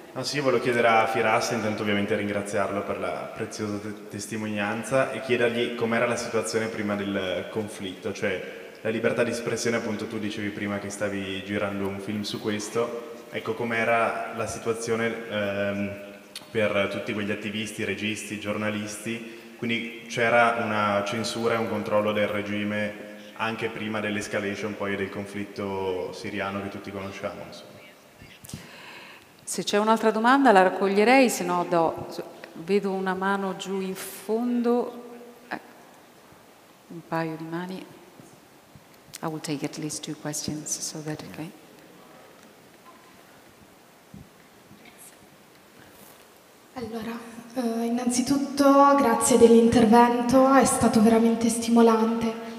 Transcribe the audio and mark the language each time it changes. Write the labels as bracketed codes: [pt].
[it] No, sì, io volevo chiedere a Firas, intanto ovviamente ringraziarlo per la preziosa testimonianza, e chiedergli com'era la situazione prima del conflitto, cioè la libertà di espressione, appunto tu dicevi prima che stavi girando un film su questo, ecco com'era la situazione per tutti quegli attivisti, registi, giornalisti, quindi c'era una censura e un controllo del regime anche prima dell'escalation poi del conflitto siriano che tutti conosciamo, insomma. Se c'è un'altra domanda la raccoglierei, se no do. Vedo una mano giù in fondo, un paio di mani. [en] I will take at least two questions so that okay. [it] Allora, innanzitutto grazie dell'intervento, è stato veramente stimolante.